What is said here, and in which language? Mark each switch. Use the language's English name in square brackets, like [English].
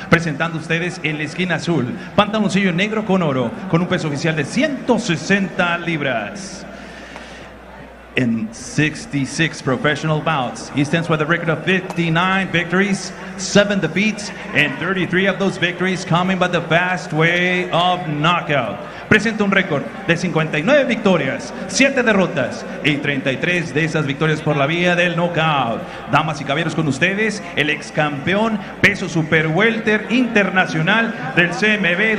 [Spanish] Presentando a ustedes en la esquina azul, pantaloncillo negro con oro, con un peso oficial de 160 libras. [English] In 66 professional bouts, he stands with a record of 59 victories, 7 defeats, and 33 of those victories coming by the fast way of knockout. [Spanish] Presenta un récord de 59 victorias, 7 derrotas y 33 de esas victorias por la vía del knockout. Damas y caballeros, con ustedes, el ex campeón peso super welter internacional del CMB.